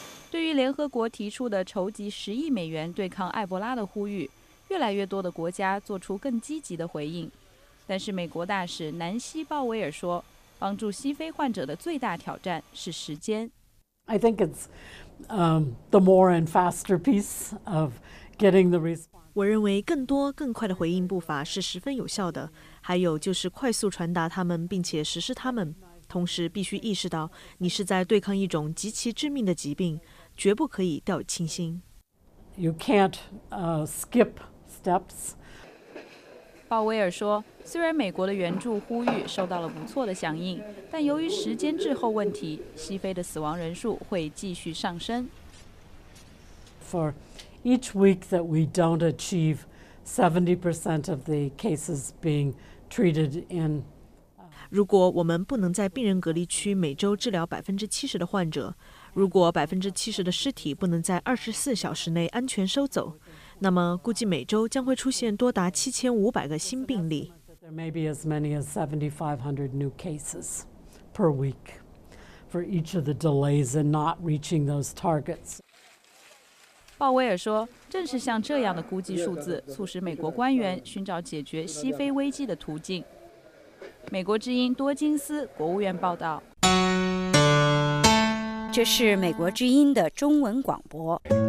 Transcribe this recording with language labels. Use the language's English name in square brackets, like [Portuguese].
[Chinese] 对于联合国提出的筹集10亿美元对抗埃博拉的呼吁，越来越多的国家做出更积极的回应，但是美国大使南希·鲍威尔说，帮助西非患者的最大挑战是时间。 [English] I think it's the more and faster piece of getting the response. [Chinese] 我认为更多更快的回应步伐是十分有效的，还有就是快速传达他们并且实施他们，同时必须意识到你是在对抗一种极其致命的疾病，绝不可以掉以轻心。 [English] You can't skip steps. [Chinese] 鲍威尔说，虽然美国的援助呼吁受到了不错的响应，但由于时间滞后问题，西非的死亡人数会继续上升。 [English] For each week that we don't achieve 70% of the cases being treated in， [Chinese] 如果我们不能在病人隔离区每周治疗70%的患者，如果70%的尸体不能在24小时内安全收走，那么估计每周将会出现多达7500个新病例。 [English] There may be as many as 7,500 new cases per week for each of the delays in not reaching those targets. [Chinese] 鲍威尔说，正是像这样的估计数字，促使美国官员寻找解决西非危机的途径。美国之音多金斯，国务院报道。这是美国之音的中文广播。